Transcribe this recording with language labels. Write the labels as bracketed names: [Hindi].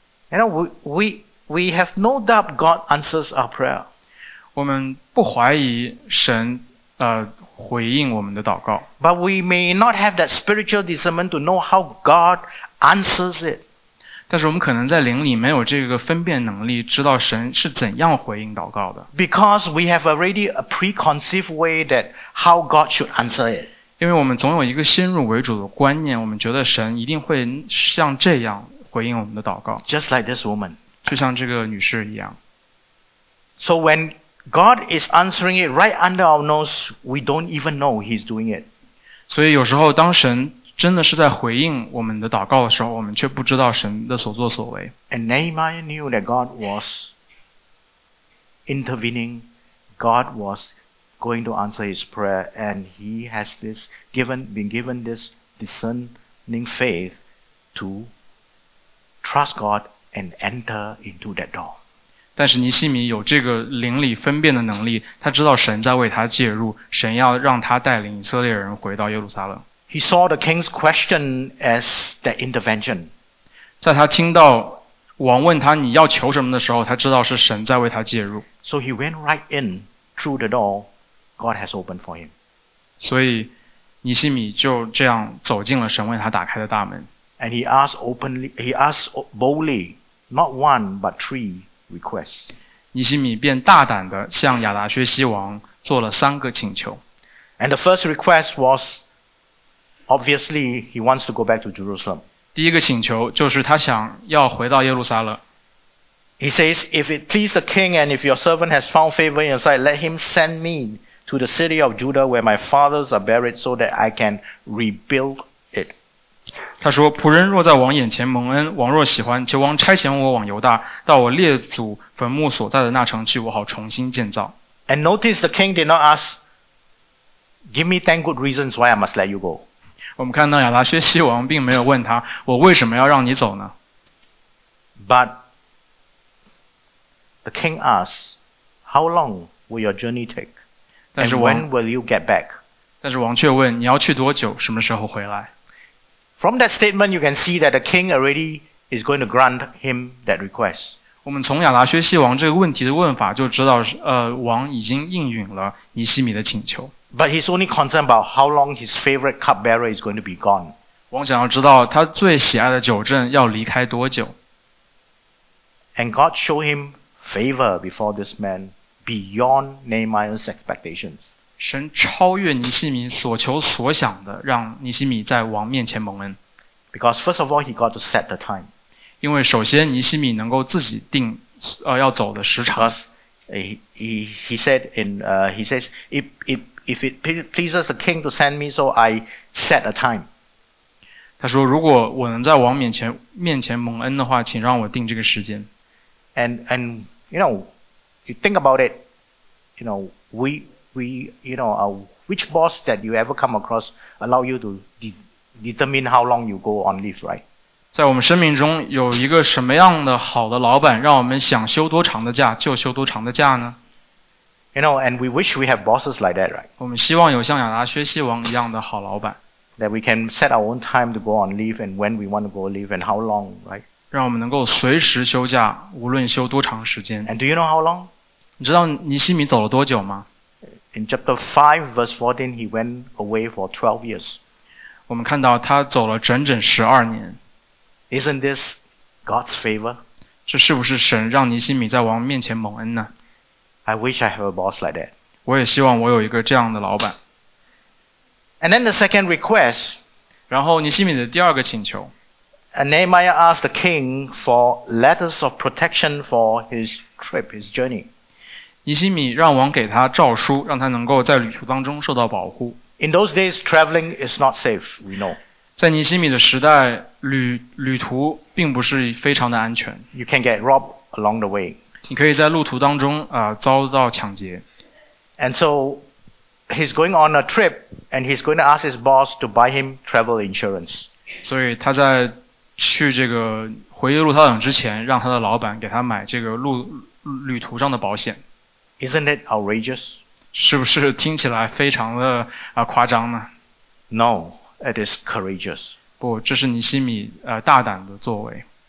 [English] You know, we have no doubt God answers our prayer. [Chinese] 我们不怀疑神回应我们的祷告。 [English] But we may not have that spiritual discernment to know how God answers it. [Chinese] 但是我们可能在灵里没有这个分辨能力，知道神是怎样回应祷告的。 [English] Because we have already a preconceived way that how God should answer it. [Chinese] 因为我们总有一个先入为主的观念，我们觉得神一定会像这样回应我们的祷告。 [English] Just like this woman. [Chinese] 就像这个女士一样。 [English] So when God is answering it right under our nose, we don't even know He's doing it. [Chinese] 所以有时候当神真的是在回应我们的祷告的时候，我们却不知道神的所作所为。 [English] And Nehemiah knew that God was intervening, God was going to answer his prayer, and he has been given this discerning faith to trust God and enter into that door. [Chinese] 但是尼西米有这个灵里分辨的能力，他知道神在为他介入，神要让他带领以色列人回到耶路撒冷。 [English] He saw the king's question as the intervention. [Chinese] 在他听到王问他你要求什么的时候，他知道是神在为他介入。 [English] So he went right in through the door God has opened for him. [Chinese] 所以尼西米就这样走进了神为他打开的大门。 [English] And he asked openly, he asked boldly, not one but three requests. [Chinese] 尼西米便大胆地向亚达薛西王做了三个请求。 [English] And the first request was,Obviously, he wants to go back to Jerusalem. [Chinese] 第一个请求就是他想要回到耶路撒冷。 [English] He says, if it please the king and if your servant has found favor in your sight, let him send me to the city of Judah where my fathers are buried so that I can rebuild it. [Chinese] 他说，仆人若在王眼前蒙恩，王若喜欢，求王差遣我往犹大，到我列祖坟墓所在的那城去，我好重新建造。 [English] And notice the king did not ask, give me 10 good reasons why I must let you go. [Chinese] 我们看到亚达薛西王并没有问他，我为什么要让你走呢？ [English] But the king asks, "How long will your journey take? And when will you get back?" [Chinese] 但是王却问，你要去多久？什么时候回来？ [English] From that statement, you can see that the king already is going to grant him that request. [Chinese] 我们从亚达薛西王这个问题的问法就知道，王已经应允了尼西米的请求。 [English] But he's only concerned about how long his favorite cupbearer is going to be gone. [Chinese] 王想要知道他最喜爱的酒镇要离开多久。 [English] And God showed him favor before this man beyond Nehemiah's expectations. [Chinese] 神超越尼西米所求所想的，让尼西米在王面前蒙恩。 [English] Because first of all, he got to set the time. [Chinese] 因为首先尼西米能够自己定要走的时长。 [English] Because he said in he says if it pleases the king to send me, so I set a time. [Chinese] 他说，如果我能在王面前蒙恩的话，请让我定这个时间。 [English] And you know, you think about it, you know, which boss that you ever come across allow you to determine how long you go on leave, right? [Chinese] 在我们生命中有一个什么样的好的老板，让我们想休多长的假就休多长的假呢？ [English] You know, and we wish we have bosses like that, right? [Chinese] 我们希望有像亚达薛西王一样的好老板。 [English] That we can set our own time to go on leave and when we want to go leave and how long, right? [Chinese] 让我们能够随时休假，无论休多长时间。 [English] And do you know how long? [Chinese] 你知道尼西米走了多久吗？ [English] In chapter 5, verse 14, he went away for 12 years. [Chinese] 我们看到他走了整整12年。 [English] Isn't this God's favor? [Chinese] 这是不是神让尼西米在王面前蒙恩呢？ [English] I wish I have a boss like that. [Chinese] 我也希望我有一个这样的老板。 [English] And then the second request. [Chinese] 然后尼西米的第二个请求。 [English] And Nehemiah asked the king for letters of protection for his trip, his journey. [Chinese] 尼西米让王给他诏书，让他能够在旅途当中受到保护。 [English] In those days, traveling is not safe, we know. [Chinese] 在尼西米的时代，旅途并不是非常的安全。 [English] You can get robbed along the way. [Chinese] 你可以在路途当中遭到抢劫。 [English] And so he's going on a trip, and he's going to ask his boss to buy him travel insurance. [Chinese] 所以他在去这个回忆录他等之前，让他的老板给他买这个旅途上的保险。 [English] Isn't it outrageous? [Chinese] 是不是听起来非常的夸张呢？ [English] No, it is courageous. [Chinese] 不，这是尼西米大胆的作为。